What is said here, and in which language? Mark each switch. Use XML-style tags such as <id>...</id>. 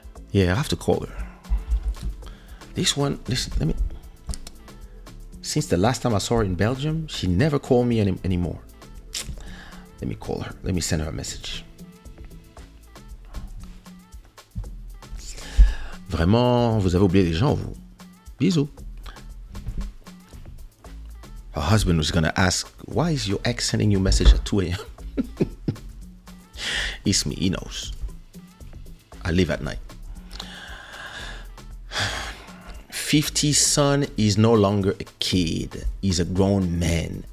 <en>Yeah, I have to call her. This one, listen, let me. Since the last time I saw her in Belgium, she never called me anymore. Let me call her. Let me send her a message.</en> <fr>Vraiment, vous avez oublié les gens, vous. Bisous.</fr> <en>Her husband was going to ask, why is your ex sending you a message at 2 a.m.? It's me. He knows. I live at night. 50's son is no longer a kid. He's a grown man.</en>